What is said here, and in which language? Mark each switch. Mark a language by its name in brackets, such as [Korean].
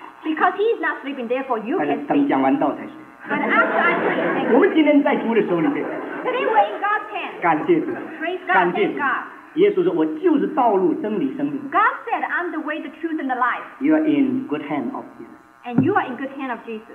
[English] Because he is not sleeping, therefore you can sleep. [Chinese] 等讲完道才睡。 [English] But after I sleep. [Chinese] 我们今天在主的手里边。 [English] Today we're in God's hands. [Chinese] 感谢主。 [English] Praise God. [Chinese] 感谢主。耶稣说：“我就是道路、真理、生命。” [English] God said, "I'm the way, the truth, and the life." You are in good hand of Jesus. And you are in good hand of Jesus.